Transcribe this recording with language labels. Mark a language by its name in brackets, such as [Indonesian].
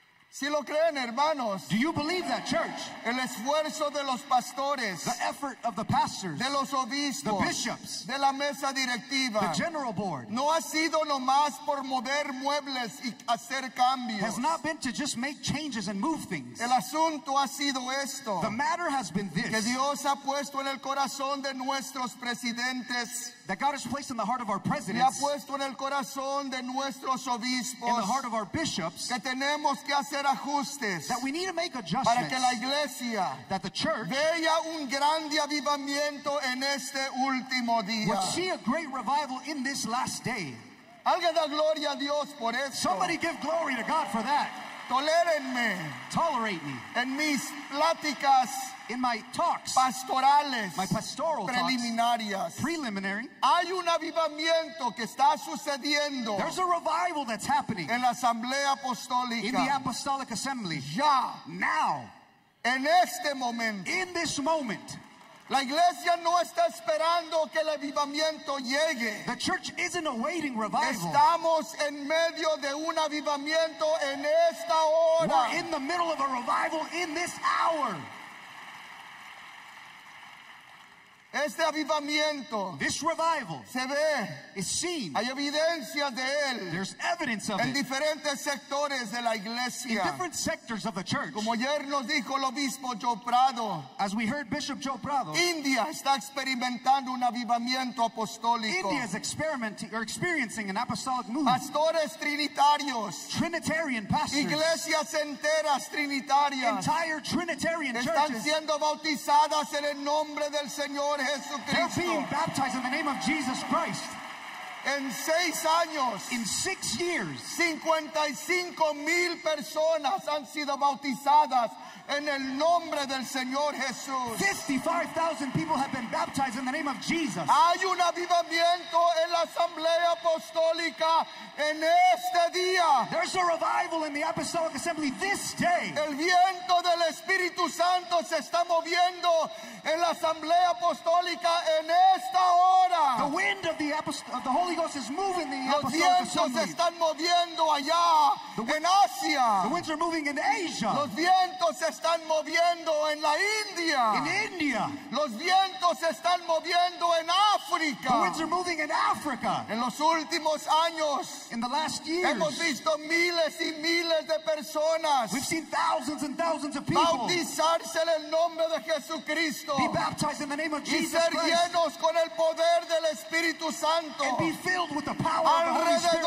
[Spanish] Si lo creen, hermanos, [English] do you believe that, church? [Spanish] El esfuerzo de los pastores, [English] the effort of the pastors, [Spanish] de los obispos, [English] the bishops, [Spanish] de la mesa directiva, [English] the general board, [Spanish] no ha sido nomás por mover muebles y hacer cambios. [English] Has not been to just make changes and move things. [Spanish] El asunto ha sido esto. [English] The matter has been this. [Spanish] Que Dios ha puesto en el corazón de nuestros presidentes. [English] That God has placed in the heart of our presidents. [Spanish] Ha puesto en el corazón de nuestros obispos. [English] In the heart of our bishops. [Spanish] Que tenemos que hacer ajustes. [English] That we need to make adjustments. [Spanish] Para que la iglesia, [English] that the church, [Spanish] vea un grande avivamiento en este último día. [English] Would see a great revival in this last day. [Spanish] Alguien da gloria a Dios por esto. [English] Somebody give glory to God for that. [Spanish] Tolérenme. [English] Tolerate me. [Spanish] En mis pláticas, [English] in my talks, [Spanish] pastorales, [English] my pastoral [Spanish] preliminarias, [English] talks, preliminary, [Spanish] hay un avivamiento que está sucediendo. [English] There's a revival that's happening [Spanish] en la asamblea apostólica. [English] In the apostolic assembly. [Spanish] Ya. [English] Now. [Spanish] En este momento. [English] In this moment. [Spanish] La iglesia no está esperando que el avivamiento llegue. [English] The church isn't awaiting revival. [Spanish] Estamos en medio de un avivamiento en esta hora. [English] We're in the middle of a revival in this hour. [Spanish] Este avivamiento, [English] this revival, [Spanish] se ve, [English] is seen. [Spanish] Hay evidencia de él, [English] there's evidence of [Spanish] en [English] it. [Spanish] En diferentes sectores de la iglesia, [English] in different sectors of the church. [Spanish] Como ayer nos dijo el obispo Joe Prado, [English] as we heard Bishop Joe Prado, [Spanish] India está experimentando un avivamiento apostólico. [English] India is experiencing an apostolic move. [Spanish] Pastores trinitarios, [English] Trinitarian pastors, [Spanish] iglesias enteras trinitarias, [English] entire Trinitarian churches, [Spanish] están siendo bautizadas en el nombre del Señor. [English] They're being baptized in the name of Jesus Christ. [Spanish] En seis años, [English] in 6 years, [Spanish] 55,000 personas han sido bautizadas en el nombre del Señor Jesús. [English] 55,000 people have been baptized in the name of Jesus. [Spanish] Hay un avivamiento en la asamblea apostólica en este día. [English] There's a revival. revival in the Apostolic Assembly this day. [Spanish] El viento del Espíritu Santo se está moviendo en la Asamblea Apostólica en esta hora. [English] The wind of the Holy Ghost is moving the Apostolic Assembly. [Spanish] Los vientos están moviendo allá en Asia. [English] The winds are moving in Asia. [Spanish] Los vientos están moviendo en la India. [English] In India. [Spanish] Los vientos están moviendo en África. [English] The winds are moving in Africa. [Spanish] En los últimos años. [English] In the last years. [Spanish] Hemos visto miles y miles de personas. [English] We've seen thousands and thousands of people. [Spanish] Bautizarse en el nombre de Jesucristo. [English] Be baptized in the name of Jesus Christ. [Spanish] Y ser llenos con el poder del Espíritu Santo. [English] And be filled with the power of the Holy Spirit.